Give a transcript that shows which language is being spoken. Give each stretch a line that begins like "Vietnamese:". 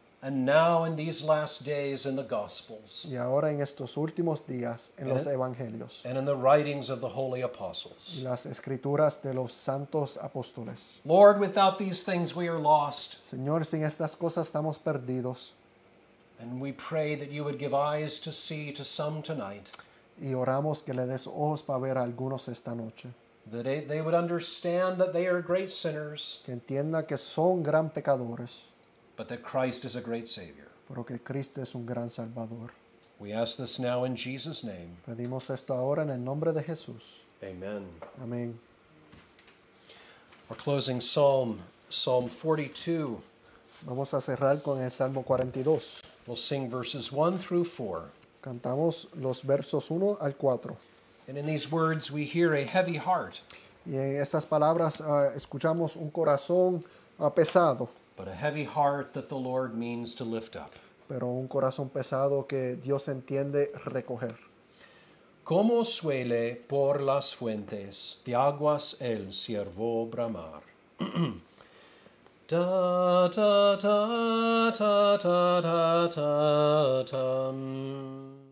English: and now in these last days in the Gospels,
Spanish: y ahora en estos últimos días en los evangelios,
English: and in the writings of the holy apostles,
Spanish: y las escrituras de los santos apóstoles.
English: Lord, without these things we are lost.
Spanish: Señor, sin estas cosas estamos perdidos.
English: And we pray that you would give eyes to see to some tonight.
Spanish: Y oramos que le des ojos para ver a algunos esta noche.
English: That they would understand that they are great sinners.
Spanish: Que entienda que son gran pecadores.
English: But that Christ is a great Savior.
Spanish: Pero que Cristo es un gran Salvador.
English: We ask this now in Jesus' name.
Spanish: Pedimos esto ahora en el nombre de Jesús.
English: Amen.
Spanish: Amén.
English: Our closing psalm, Psalm 42.
Spanish: Vamos a cerrar con el Salmo 42.
English: We'll sing verses 1 through 4.
Spanish: Cantamos los versos 1 al 4.
English: And in these words we hear a heavy heart.
Spanish: Y en estas palabras escuchamos un corazón pesado.
English: But a heavy heart that the Lord means to lift up.
Spanish: Pero un corazón pesado que Dios entiende recoger. Como suele por las fuentes de aguas el siervo bramar. Ta ta ta ta ta ta ta ta.